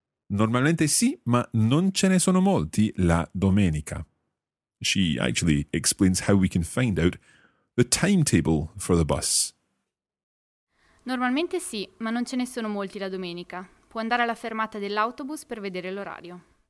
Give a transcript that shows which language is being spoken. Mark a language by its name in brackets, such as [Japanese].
[Italian] Normalmente sì, ma non ce ne sono molti la domenica. [English] She actually explains how we can find out the timetable for the bus. [Italian] Normalmente sì, ma non ce ne sono molti la domenica. Può andare alla fermata dell'autobus per vedere l'orario.